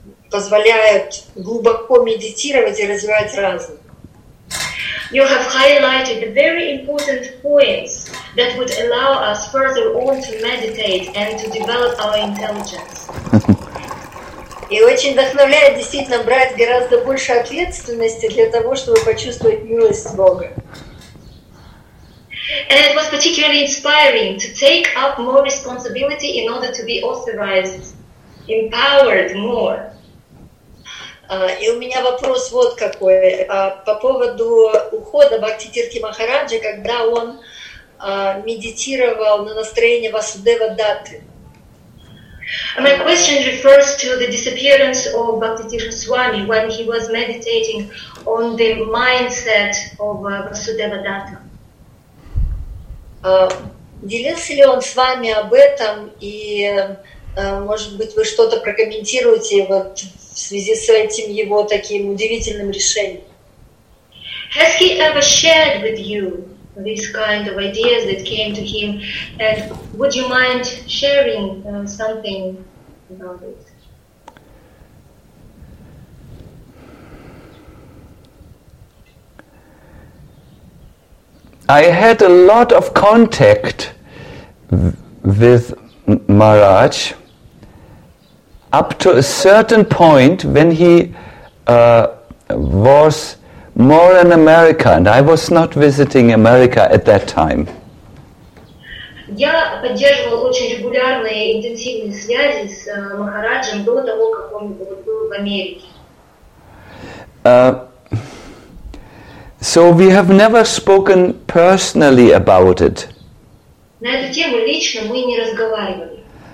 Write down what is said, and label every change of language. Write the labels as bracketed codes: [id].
[ru] позволяют глубоко медитировать и развивать разум. [en] You have highlighted the very important points that would allow us further on to meditate and to develop our intelligence. [ru] И очень вдохновляет действительно брать гораздо больше ответственности для того, чтобы почувствовать милость Бога. [en] And it was particularly inspiring to take up more responsibility in order to be authorized, empowered more. [ru] И у меня вопрос вот какой. По поводу ухода Бхакти Тирти Махараджи, когда он медитировал на настроение Васудева Даты. [en] My question refers to the disappearance of Bhakti Tirti Swami when he was meditating on the mindset of Васудева Дата. [ru] Делился ли он с вами об этом? И, может быть, вы что-то прокомментируете вот в связи с этим его таким удивительным решением. [en] Has he ever shared with you these kind of ideas that came to him? And would you mind sharing something about it? I had a lot of contact with Maharaj up to a certain point when he was more in America, and I was not visiting America at that time. [ru] Я поддерживал очень регулярные интенсивные связи с Махараджем до того, как он был в Америке. [en] So we have never spoken personally about it. [ru] На эту тему лично мы не разговаривали.